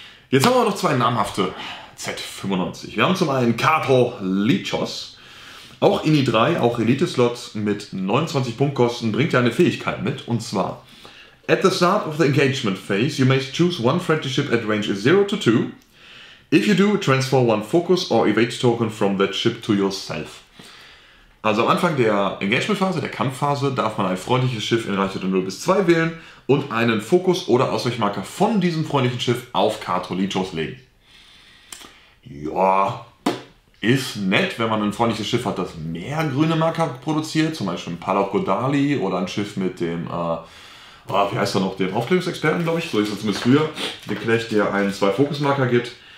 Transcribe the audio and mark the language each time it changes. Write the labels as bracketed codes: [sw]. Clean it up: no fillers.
[de] Jetzt haben wir noch zwei namhafte Z95. Wir haben zum einen Kato Lichos, auch Ini 3, auch Elite-Slots mit 29 Punktkosten, bringt ja eine Fähigkeit mit, und zwar: [en] At the start of the engagement phase, you may choose one friendly ship at range 0 to 2. If you do, transfer one focus or evade token from that ship to yourself. [de] Also am Anfang der Engagement-Phase, der Kampfphase, darf man ein freundliches Schiff in Reichweite 0 bis 2 wählen und einen Fokus- oder Ausweichmarker von diesem freundlichen Schiff auf Kato Lichos legen. Ja, ist nett, wenn man ein freundliches Schiff hat, das mehr grüne Marker produziert, zum Beispiel ein Palau Godali oder ein Schiff mit dem, wie heißt er noch, dem Aufklärungsexperten, glaube ich, so ist es zumindest früher, der Knecht, der einen 2 Fokusmarker gibt.